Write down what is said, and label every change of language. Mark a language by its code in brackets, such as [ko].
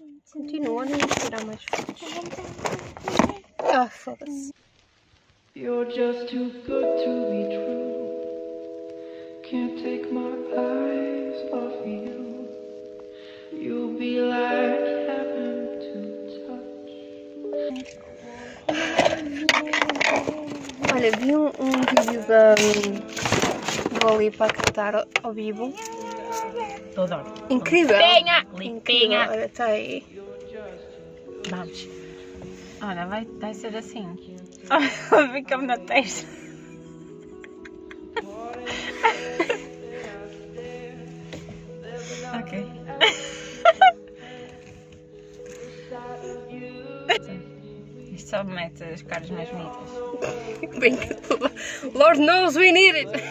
[pt] Continuando, vamos tirar mais fotos. Ah, foda-se. [en] You're just too good to be true. Can't take my eyes off you. You'll be like heaven to touch. [pt] Olha, vi um vídeo da Dolly para cantar ao vivo. Todo. Incrível! Limpinha! Limpinha! Olha, está aí. Vamos. Olha, vai ser assim. Olha, fica-me na testa. Ok. Isto só me mete as caras mais bonitas. Bem que [en] Lord knows we need it!